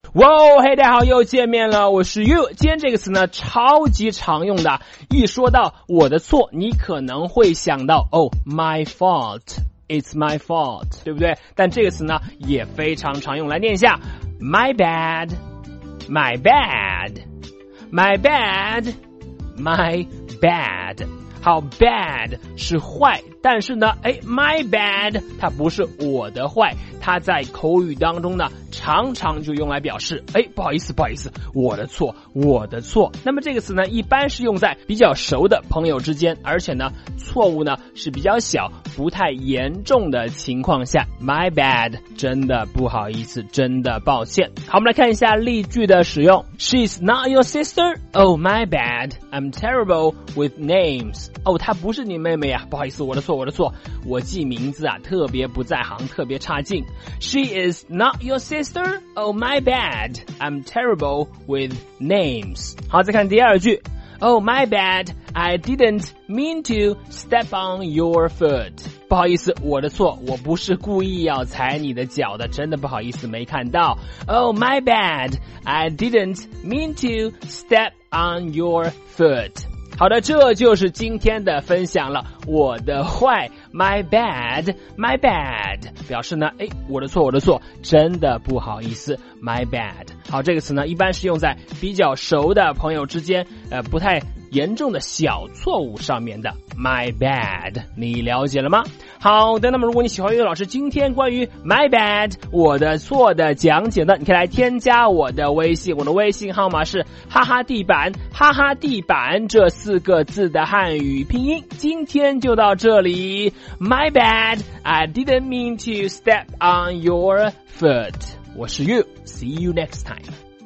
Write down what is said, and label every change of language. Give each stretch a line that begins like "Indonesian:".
Chinese: 哇哦，嘿，大家好，又见面了，我是 You。 今天这个词呢超级常用的，一说到我的错，你可能会想到
English: my fault， it's my fault，
Chinese: 对不对？但这个词呢也非常常用，来念一下
English: my bad， my bad，
Chinese: my bad， my bad。好， bad 是坏，但是呢my bad 它不是我的坏，它在口语当中呢常常就用来表示不好意思不好意思，我的错我的错。那么这个词呢一般是用在比较熟的朋友之间，而且呢错误呢是比较小不太严重的情况下， my bad， 真的不好意思，真的抱歉。好，我们来看一下例句的使用。
English: She's not your sister? Oh my bad, I'm terrible with names。
Chinese: 她不是你妹妹啊，不好意思，我的错我的错，我记名字啊特别不在行，特别差劲。
English: She is not your sister? Oh my bad, I'm terrible with names。
Chinese: 好，再看第二句。
English: Oh my bad, I didn't mean to step on your foot。
Chinese: 不好意思，我的错，我不是故意要踩你的脚的，真的不好意思，没看到。
English: Oh my bad, I didn't mean to step on your foot。
Chinese: 好的，这就是今天的分享了，我的坏，
English: my bad, my bad，
Chinese: 表示呢我的错我的错，真的不好意思， my bad。好，这个词呢一般是用在比较熟的朋友之间，不太严重的小错误上面的， my bad， 你了解了吗？好的，那么如果你喜欢岳老师今天关于 my bad， 我的错的讲解呢，你可以来添加我的微信，我的微信号码是哈哈地板，哈哈地板这四个字的汉语拼音。今天就到这里，
English: my bad， I didn't mean to step on your foot。 我是 You, see you next time。